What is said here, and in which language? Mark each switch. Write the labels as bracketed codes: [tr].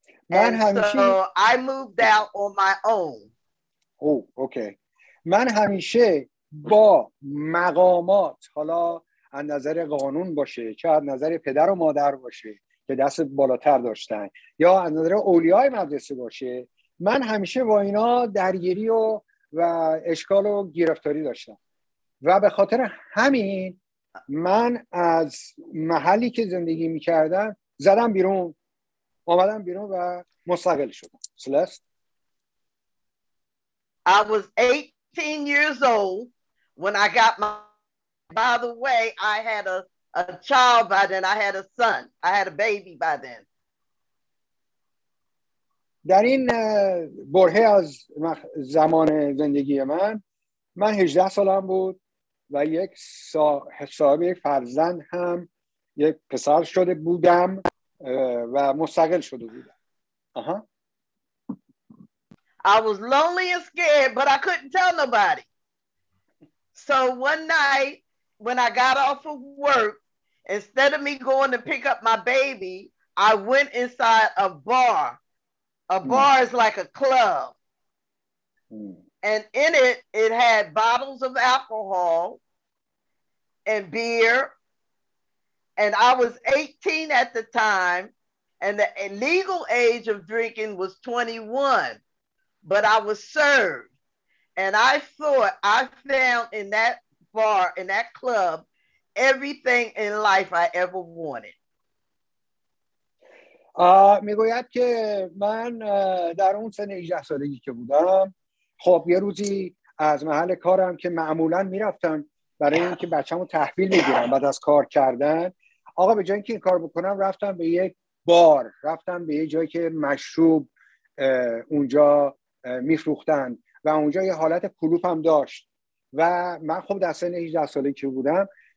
[fa] من همیشه [en] so I moved out on my own. Okay. [fa] من همیشه با مقامات، حالا از نظر قانون باشه، چه از نظر پدر و مادر باشه که دست بالاتر داشتن، یا از نظر اولیای مدرسه باشه، من همیشه با اینا درگیری و اشکال و گرفتاری داشتم. و به خاطر همین من از محلی که زندگی میکردم زدم بیرون، آمدم بیرون و مستقل شدم. سلست. [en] I was 18 years old when I got my... By the way, I had a child by then. I had a son. I had a baby by then. [fa] در این برهه از زمان زندگی من 18 سالم بود و یک صاحب فرزند هم یک پسر شده بودم و مستقل شده بودم. آها. [en] I was lonely and scared, but I couldn't tell nobody. So one night when I got off of work, instead of me going to pick up my baby, I went inside a bar. A bar is like a club. And in it, it had bottles of alcohol and beer, And I was 18 at the time, and the legal age of drinking was 21, but I was served. And I thought I found in that bar, in that club, everything in life I ever wanted. [fa] میگوید که من در اون سن 18 سالگی که بودم، خب یه روزی از محل کارم که معمولا میرفتم برای اینکه بچه‌مو تحویل بگیرم بعد از کار کردن، آقا به جای اینکه این کار بکنم رفتم به یک بار، رفتم به یه جایی که مشروب اونجا میفروختن و اونجا یه حالت کلوپ هم داشت و من خب در سن 18 سالگی که بودم